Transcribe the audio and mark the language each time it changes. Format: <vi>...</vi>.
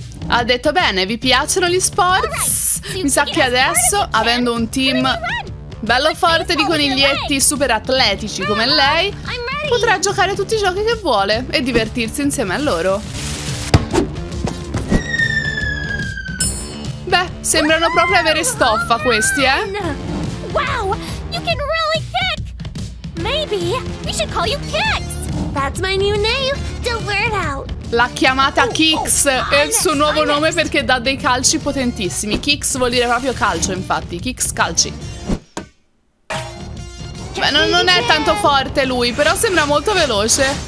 <it>Ha detto bene, vi piacciono gli sport? Mi sa che adesso, avendo un team bello forte di coniglietti super atletici come lei, potrà giocare tutti i giochi che vuole e divertirsi insieme a loro. Beh, sembrano proprio avere stoffa questi, eh?</it> <en>Wow, you can really kick! Maybe we should call you Kicks! That's my new name, Delverto!</en> <it>L'ha chiamata Kicks, è il suo nuovo nome perché dà dei calci potentissimi. Kicks vuol dire proprio calcio, infatti. Kicks, calci. Beh, non è tanto forte lui, però sembra molto veloce.</it>